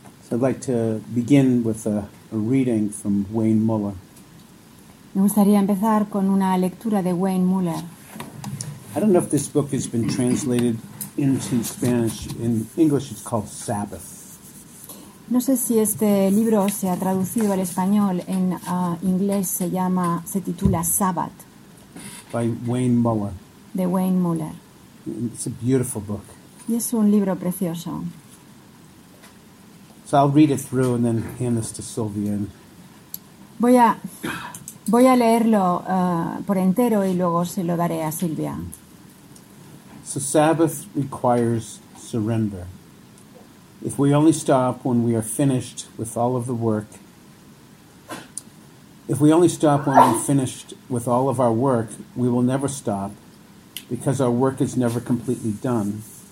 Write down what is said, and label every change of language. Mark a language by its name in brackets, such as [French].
[English] I'd like to begin with a reading from Wayne Muller. [Spanish] Me gustaría empezar con una lectura de Wayne Muller. [English] I don't know if this book has been translated into Spanish. In English, it's called Sabbath. [Spanish] No sé si este libro se ha traducido al español. En inglés se titula Sabbath. [English] By Wayne Muller. [Spanish] De Wayne Muller. [English] It's a beautiful book. [Spanish] Y es un libro precioso. [English] So I'll read it through and then hand this to Sylvia. [Spanish] Voy a leerlo por entero y luego se lo daré a Silvia. [English] So Sabbath requires surrender. If we only stop when we are finished with all of the work, if we only stop when we're finished with all of our work, we will never stop because our work is never completely done.